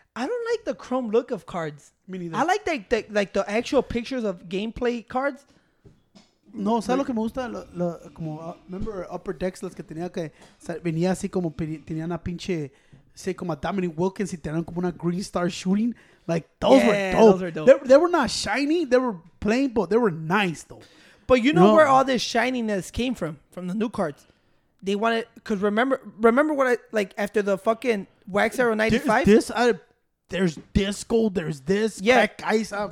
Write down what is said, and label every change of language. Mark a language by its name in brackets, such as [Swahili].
[English] I don't like the chrome look of cards. Me neither. I like the actual pictures of gameplay cards. [Spanish] No, ¿sabes lo que me gusta? Remember Upper Decks, los que tenía que... Venía así como... Tenían a pinche... Say, como a Dominic Wilkins y tenían como una Green Star shooting. [English] Like, those were dope. Those were dope. They were not shiny. They were plain, but they were nice, though. But you know where all this shininess came from? From the new cards. They wanted... Because remember what I... Like, after the fucking Wax Arrow 95? There's this gold, there's this crack ice out.